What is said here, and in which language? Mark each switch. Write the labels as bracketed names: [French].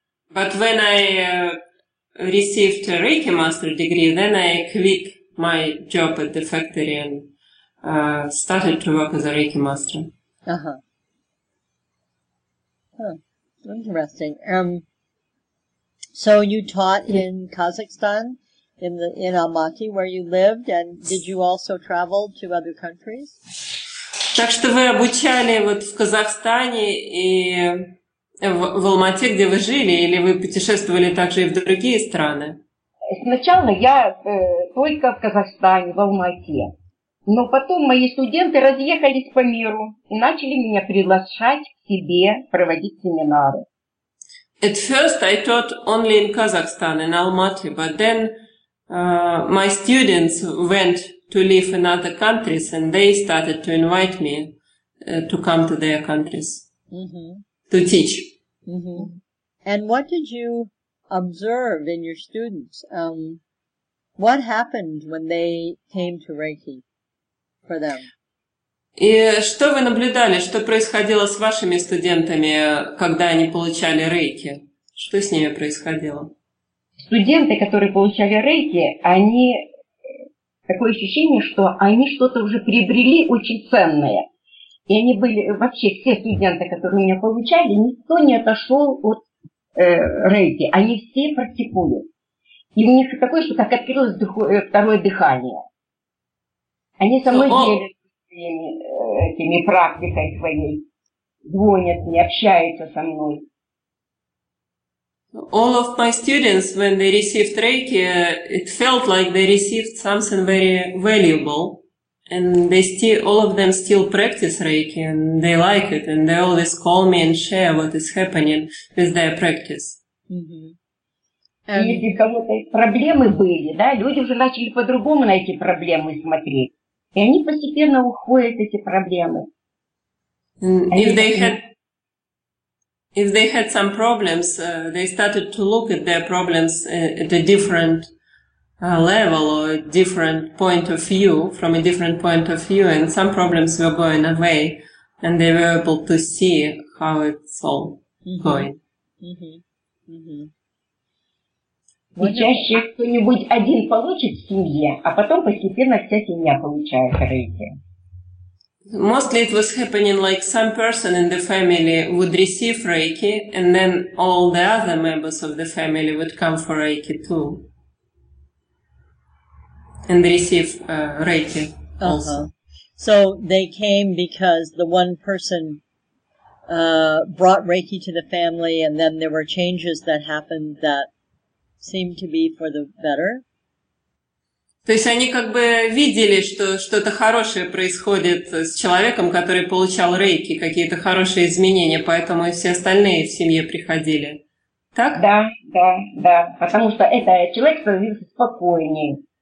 [English] But when I received a Reiki master degree, then I quit my job at the factory and started to work as a Reiki master. Uh-huh. Huh. Interesting. So you taught in Kazakhstan, in Almaty, where you lived, and did you also travel to other countries? [Russian] Так что вы обучали вот в Казахстане и в Алмате, где вы жили, или вы путешествовали также и в другие страны? Сначала я только в Казахстане, в Алмате. Но потом мои студенты разъехались по миру и начали меня приглашать к себе проводить семинары. [English] At first I taught only in Kazakhstan, in Almaty, but then my students went to live in other countries and they started to invite me to come to their countries. Mm-hmm. To teach. Mm-hmm. And what did you observe in your students? What happened when they came to Reiki for them? [Russian] И что вы наблюдали, что происходило с вашими студентами, когда они получали Рейки? Что с ними происходило? Студенты, которые получали Рейки, они такое ощущение, что они что-то уже приобрели очень ценное. И они были, вообще все студенты, которые у меня получали, никто не отошел от рейки. Они все практикуют. И у них такое, что как открылось второе дыхание. Они со мной делятся этими практикой своей. Звонят мне, общаются со мной. [English] All of my students, when they received Reiki, it felt like they received something very valuable. And they still, all of them still practice Reiki, and they like it, and they always call me and share what is happening with their practice. Mm-hmm. [Russian] Если у кого-то проблемы были, да, люди уже начали по-другому на эти проблемы смотреть, и они постепенно уходят эти проблемы. [English] If they had some problems, they started to look at their problems at a different level or a different point of view, from a different point of view, and some problems were going away, and they were able to see how it's all mm-hmm. going. Mm-hmm. Mm-hmm. [Russian] Чаще кто-нибудь один получит в семье, а потом постепенно вся семья получает рейки. [English] Mostly it was happening like some person in the family would receive Reiki, and then all the other members of the family would come for Reiki too. And receive Reiki also. Uh-huh. So they came because the one person brought Reiki to the family, and then there were changes that happened that seemed to be for the better? [Russian] То есть они как бы видели, что что-то хорошее происходит с человеком, который получал Рейки, какие-то хорошие изменения, поэтому и все остальные в семье приходили. Так? Да, да, да. Потому что это человек становился спокойнее.